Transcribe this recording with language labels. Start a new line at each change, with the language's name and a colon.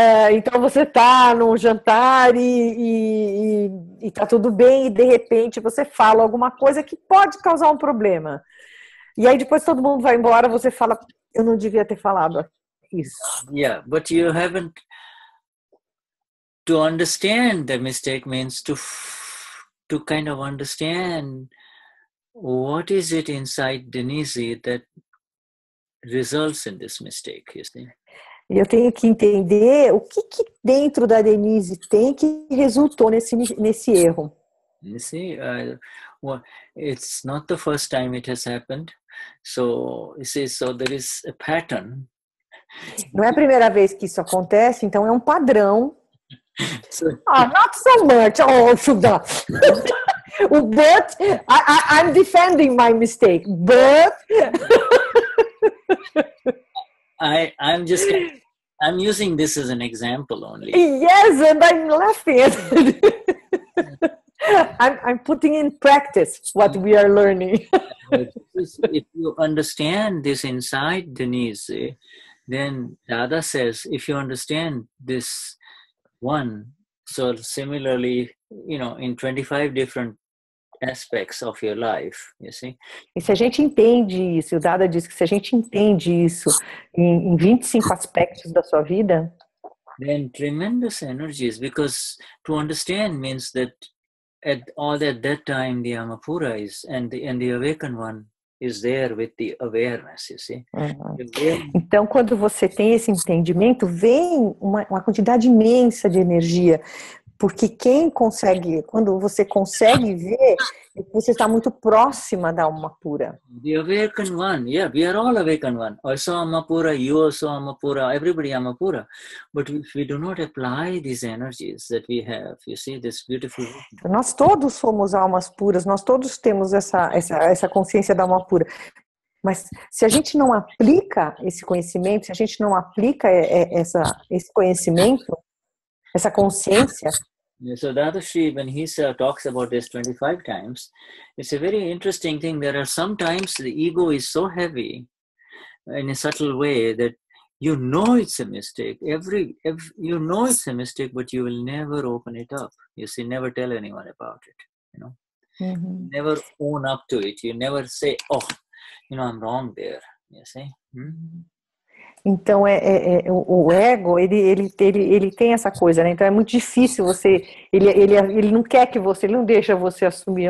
Portuguese: então, você tá num jantar e tá tudo bem, e de repente você fala alguma coisa que pode causar um problema. E aí, depois todo mundo vai embora, você fala, eu não devia ter falado aqui.
English: Yeah, but you haven't to understand the mistake means to kind of understand what is it inside Denise that results in this mistake, you see?
Portuguese: Eu tenho que entender o que dentro da Denise tem que resultou nesse erro.
English: You see, it's not the first time it has happened. So, you see, so there is a pattern.
Portuguese: Não é a primeira vez que isso acontece, então é um padrão.
English: Ah, not so much. Oh, Shudha. But I'm defending my mistake. But I'm using this as an example only. Yes, and I'm laughing. I'm putting in practice what we are learning. If you understand this inside, Denise, then Dada says, if you understand this one, so similarly, you know, in 25 different aspects of your life, you see?
Portuguese: E se a gente entende isso, o Dada diz que se a gente entende isso em 25 aspectos da sua vida,
English: then tremendous energies, because to understand means that at all at that time the Amapura is and the awakened one is there with the awareness, you see?
Portuguese: Então quando você tem esse entendimento, vem uma quantidade imensa de energia, porque quem consegue, quando você consegue ver, você está muito próxima da Amapura.
English: The awakened one, yeah, we are all awakened one. I saw Amapura, you saw Amapura, everybody Amapura. But if we do not apply these energies that we have, you see this beautiful.
Portuguese: Nós todos somos almas puras, nós todos temos essa consciência da Amapura. Mas se a gente não aplica esse conhecimento, se a gente não aplica esse conhecimento, essa consciência.
English: Yeah, so Dadashri, when he talks about this 25 times, it's a very interesting thing. There are sometimes the ego is so heavy in a subtle way that you know it's a mistake. You know it's a mistake, but you will never open it up. You see, never tell anyone about it. You know, mm-hmm. Never own up to it. You never say, oh, you know, I'm wrong there. You see? Mm-hmm.
Portuguese: Então, o ego, ele tem essa coisa, né? Então, é muito difícil você... Ele não quer que você... Ele não deixa você assumir.